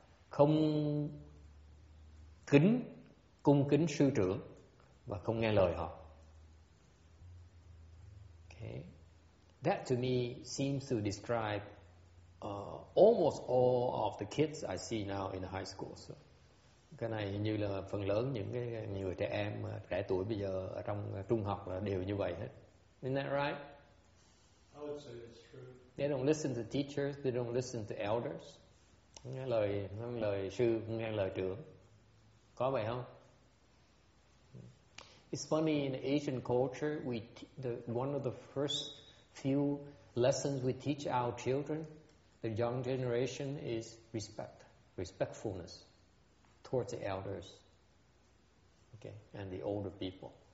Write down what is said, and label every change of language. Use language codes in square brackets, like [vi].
[vi] Không kính, cung kính sư trưởng và không nghe lời họ. [en] Okay. That to me seems to describe almost all of the kids I see now in high school. [vi] So, cái này như là phần lớn những cái người trẻ em trẻ tuổi bây giờ ở trong trung học là đều như vậy hết. [en] Isn't that right? I would say it's true. They don't listen to teachers, they don't listen to elders. [vi] Không nghe lời sư, không nghe lời trưởng. Có vậy không? [en] It's funny, in Asian culture, one of the first few lessons we teach our children, the young generation, is respect, respectfulness towards the elders, okay, and the older people.